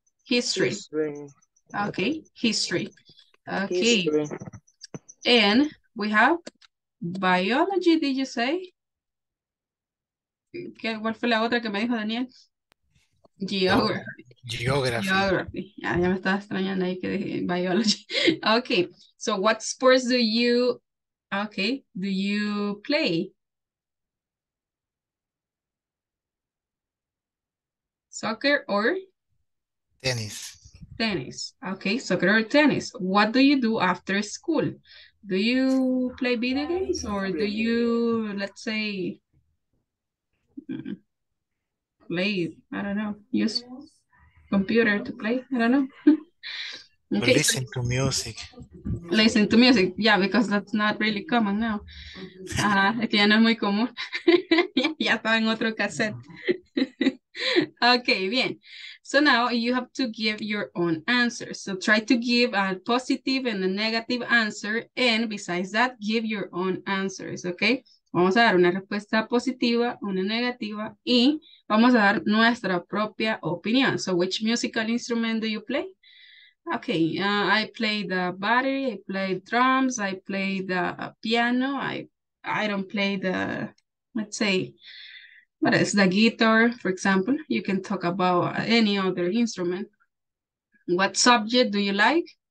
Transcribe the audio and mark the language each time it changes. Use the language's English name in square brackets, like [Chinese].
[English] History. History. Okay, history. Okay. History. And we have biology, did you say? [Spanish] ¿Qué, cuál fue la otra que me dijo Daniel? [English] Geography. Geography. Geography. [Spanish] Ah, ya me estaba extrañando ahí que dije biology. [English] Okay, so what sports do you, okay, do you play? Soccer or? Tennis. Tennis. Okay, soccer or tennis. What do you do after school? Do you play video games or do you, let's say, play, I don't know, use computer to play, I don't know. Okay. Listen to music. Listen to music, yeah, because that's not really common now. [Spanish] Es que ya no es muy común. Ya estaba en otro cassette. Okay, bien. [English] So now you have to give your own answer. So try to give a positive and a negative answer. And besides that, give your own answers, okay? [Spanish] Vamos a dar una respuesta positiva, una negativa, y vamos a dar nuestra propia opinión. [English] So which musical instrument do you play? Okay, I play the battery, I play drums, I play the piano, I don't play the, let's say, what is the guitar, for example. You can talk about any other instrument. What subject do you like?